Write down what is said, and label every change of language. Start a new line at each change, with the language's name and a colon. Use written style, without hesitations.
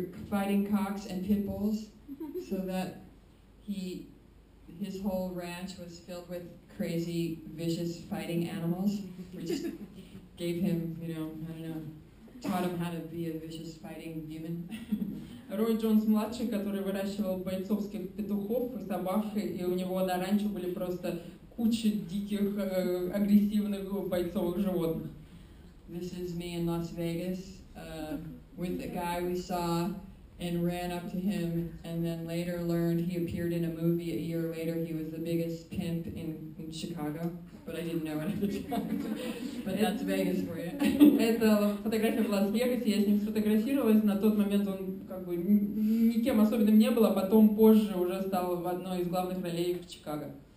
English: fighting cocks and pit bulls so that his whole ranch was filled with crazy, vicious fighting animals, which gave him, you know, I don't know, taught him how to be a vicious fighting human.
Russian: Рой Джонс-младший, который выращивал бойцовских петухов и собак, и у него на ранчо были просто куча диких, агрессивных бойцовых животных.
English: This is me in Las Vegas, with a guy we saw and ran up to him, and then later learned he appeared in a movie a year later. He was the biggest pimp in Chicago, but I didn't know it at the time. But that's Vegas for you.
Russian: Это фотография в Лас-Вегасе, я с ним сфотографировалась. На тот момент он как бы никем особенным не был, а потом позже уже стал в одной из главных ролей в Чикаго.